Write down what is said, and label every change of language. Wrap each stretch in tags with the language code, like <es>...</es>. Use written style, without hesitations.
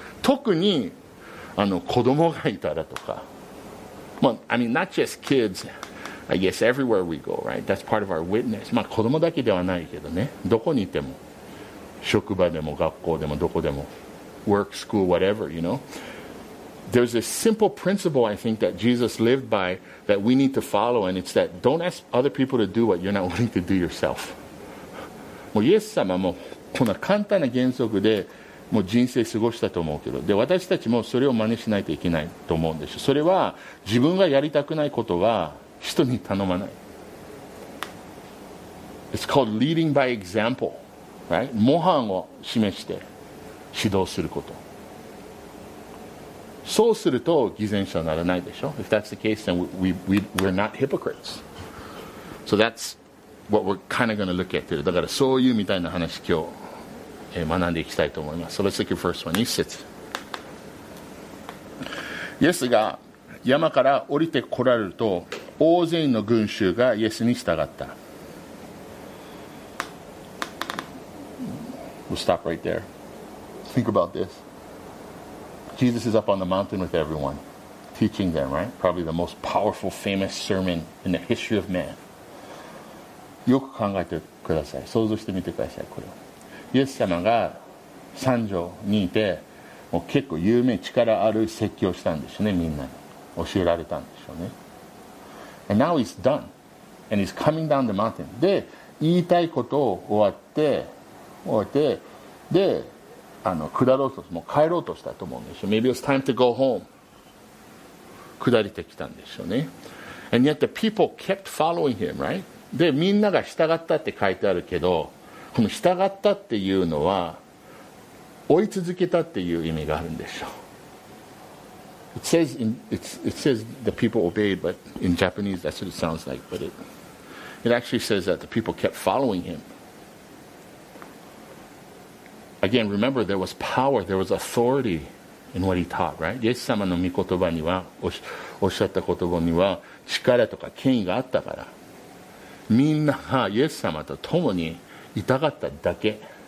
<ja>特に、あの、子供がいたらとか。</ja> <en>まあ、I mean, not just kids. I guess everywhere we go, right? That's part of our witness.</en> <ja>まあ子供だけではないけどね。どこにいても。職場でも学校でもどこでも。</ja> <en>Work, school, whatever, you know? There's a simple principle, I think, that Jesus lived by that we need to follow, and it's that don't ask other people to do what you're not willing to do yourself.</en> <ja>もうイエス様もこの簡単な原則でもう人生過ごしたと思うけど、で、私たちもそれを真似しないといけないと思うんでしょ。それは自分がやりたくないことは人に頼まない。</ja> <en>It's called leading by example, right?</en> <ja>模範を示して指導すること。そうすると偽善者にならないでしょ。</ja> <en>If that's the case, then we're not hypocrites. So that's what we're kind of going to look at today.</en> <ja>だからそういうみたいな話今日学んでいきたいと思います。</ja> <en>So let's look at first one.</en> <ja>一節。イエスが山から降りてこられると、大勢の群衆がイエスに従った。</ja> <en>We'll stop right there. Think about this. Jesus is up on the mountain with everyone, teaching them, right? Probably the most powerful, famous sermon in the history of man.</en> <ja>よく考えてください。想像してみてください、これを。イエス様が山上にいて、もう結構有名、力ある説教したんでしょうね、みんなに。教えられたんでしょうね。</ja> <en>And now he's done. And he's coming down the mountain.</en> <ja>で、言いたいことを終わって、で、あの、下ろうと、もう帰ろうとしたと思うんでしょう。</ja> <en>Maybe it's time to go home.</en> <ja>下りてきたんでしょうね。</ja> <en>And yet the people kept following him, right?</en> <ja>で、みんなが従ったって書いてあるけど、この従ったっていうのは、追い続けたっていう意味があるんでしょう。</ja> <en>It says the people obeyed, but in Japanese that's what it sounds like. But it actually says that the people kept following him. Again, remember there was power, there was authority in what he taught, right?</en> <ja>イエス様の御言葉にはおっしゃった言葉には力とか権威があったから、みんながイエス様と共にいたかっただけ。</ja>